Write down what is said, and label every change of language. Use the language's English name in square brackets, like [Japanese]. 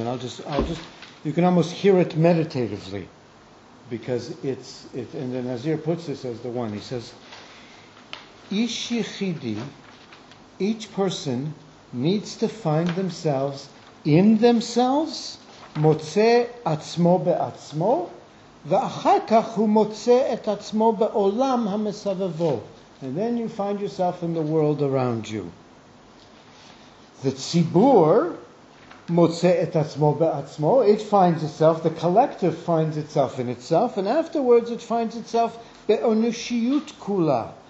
[English] And I'll just you can almost hear it meditatively, because it's and the Nazir puts this as the one. He says, [Hebrew] Ish yichidi, [English] each person needs to find themselves in themselves [Hebrew] מוצא עצמו בעצמו, ואחר כך הוא מוצא את עצמו בעולם המסבבו. [English] And then you find yourself in the world around you. The ציבור [Hebrew] מוצא את עצמו בעצמו, [English] it finds itself, the collective finds itself in itself, and afterwards it finds itself [Hebrew] באנושיות כולה.